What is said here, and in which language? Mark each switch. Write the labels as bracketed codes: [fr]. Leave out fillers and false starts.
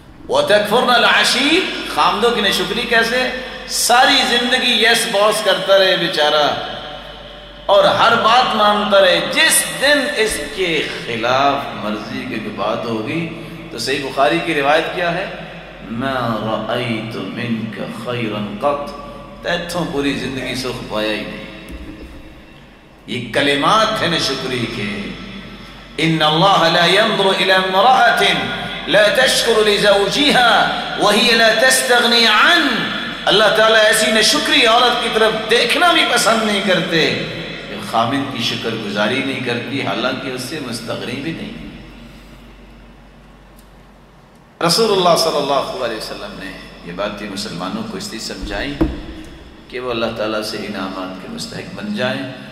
[ar] وَتَكْفُرْنَ الْعَشِيرَ، [ur] خامدوں کی نشکری کیسے؟ ساری زندگی یس باس کرتا رہے بیچارہ اور ہر بات مانتا رہے، جس دن اس کے خلاف مرضی کی بات ہوگی تو صحیح بخاری کی روایت کیا ہے، [ar] مَا رَأَيْتُ مِنْكَ خَيْرًا قَطْ، [ur] تیتھوں پوری زندگی سکھ پایا ہی نہیں. یہ کلمات ہیں نشکری کے، [ar] ان اللہ لا ينظر الى امرأة لا تشکر لزوجها وهي لا تستغنی عن. [ur] اللہ تعالیٰ ایسی نشکری عورت کی طرف دیکھنا بھی پسند نہیں کرتے کہ خامن کی شکر گزاری نہیں کرتی حالانکہ اس سے مستغنی بھی نہیں. رسول اللہ صلی اللہ علیہ وسلم نے یہ باتیں مسلمانوں کو اس لیے سمجھائیں کہ وہ اللہ تعالیٰ سے انعامات کے مستحق بن جائیں.